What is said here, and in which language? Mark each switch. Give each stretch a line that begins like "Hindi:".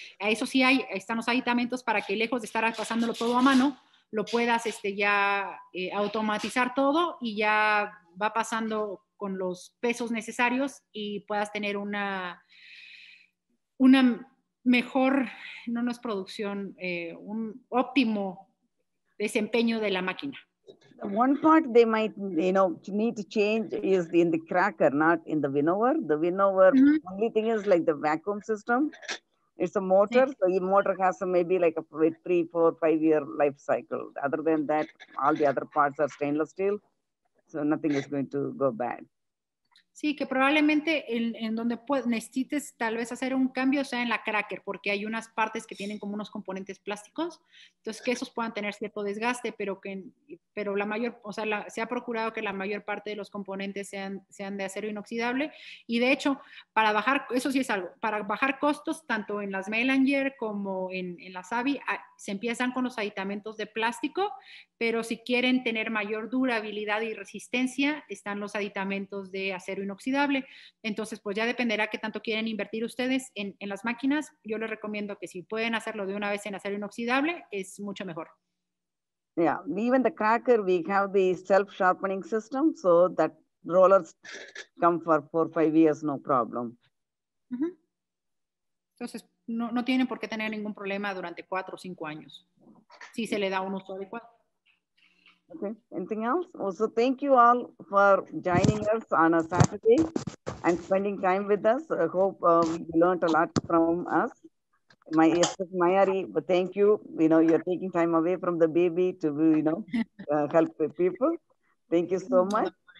Spanish: A eso sí están los aditamentos para que, lejos de estar pasándolo todo a mano, lo puedas automatizar todo y ya va pasando con los pesos necesarios y puedas tener una mejor, no es producción, un óptimo desempeño de la máquina.
English: one part they might, you know, need to change is in the cracker, not in the winnower. The winnower, mm-hmm. only thing is like the vacuum system. It's a motor, so your motor has some maybe like a 3-5 year life cycle. Other than that, all the other parts are stainless steel, so nothing is going to go bad.
Spanish: Sí, que probablemente en donde necesites tal vez hacer un cambio sea en la cracker, porque hay unas partes que tienen como unos componentes plásticos, entonces que esos puedan tener cierto desgaste, pero la mayor, o sea, se ha procurado que la mayor parte de los componentes sean de acero inoxidable, y de hecho, para bajar, eso sí es algo, para bajar costos, tanto en las Mailanger como en las Abbey, se empiezan con los aditamentos de plástico, pero si quieren tener mayor durabilidad y resistencia, están los aditamentos de acero inoxidable. Entonces, pues ya dependerá qué tanto quieren invertir ustedes en las máquinas. Yo les recomiendo que si pueden hacerlo de una vez en acero inoxidable, es mucho mejor.
English: Yeah, even the cracker, we have the self-sharpening system, so that rollers come for 4-5 years, no problem.
Spanish: Entonces, no tienen por qué tener ningún problema durante 4 o 5 años, si se le da un uso adecuado.
English: Okay, anything else? Also, thank you all for joining us on a Saturday and spending time with us. I hope you learned a lot from us. My Mayari, but thank you. You know, you're taking time away from the baby to, you know, help people. Thank you so much.